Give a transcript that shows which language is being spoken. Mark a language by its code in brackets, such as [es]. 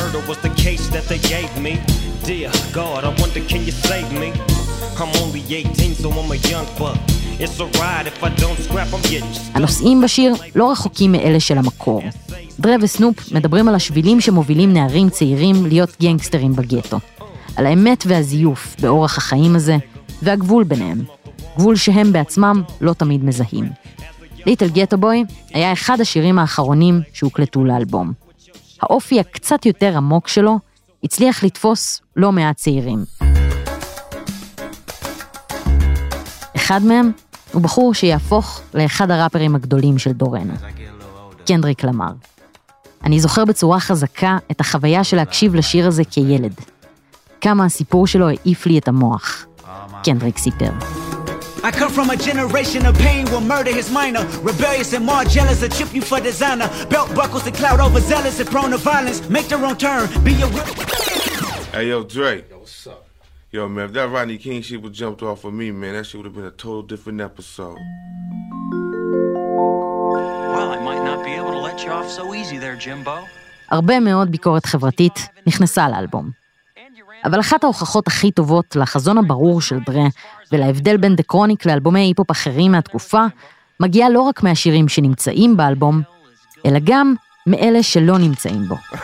[en] was the case that they gave me dear god I wonder can you save me I'm only 18 so I'm a young buck it's a ride if I don't scrap I'm getting stuck. [he] הנושאים בשיר לא רחוקים מאלה של המקור. דרי וסנופ מדברים על השבילים שמובילים נערים צעירים להיות גנגסטרים בגטו, על האמת והזיוף באורח החיים הזה והגבול ביניהם, גבול שהם בעצמם לא תמיד מזהים. ליטל גטו בוי היה אחד השירים האחרונים שהוקלטו לאלבום. האופי הקצת יותר עמוק שלו הצליח לתפוס לא מעט צעירים. אחד מהם הוא בחור שיהפוך לאחד הראפרים הגדולים של דורנו, קנדריק למר. אני זוכר בצורה חזקה את החוויה של להקשיב לשיר הזה כילד. כמה הסיפור שלו העיף לי את המוח, קנדריק סיפר. [en] I come from a generation of pain where murder is minor. Rebellious and more jealous, a chip you for designer. Belt buckles and cloud over zealous and prone to violence. Make the wrong turn, be your real... Hey, yo, Dre. Yo, what's up? Yo, man, if that Rodney King shit would jumped off of me, man, that shit would have been a total different episode. Well, I might not be able to let you off so easy there, Jimbo. [he] הרבה מאוד ביקורת חברתית נכנסה לאלבום. אבל אחת ההוכחות הכי טובות לחזון הברור של דרי ולהבדל בין דה קרוניק לאלבומי היפופ אחרים מהתקופה, מגיעה לא רק מהשירים שנמצאים באלבום, אלא גם מאלה שלא נמצאים בו.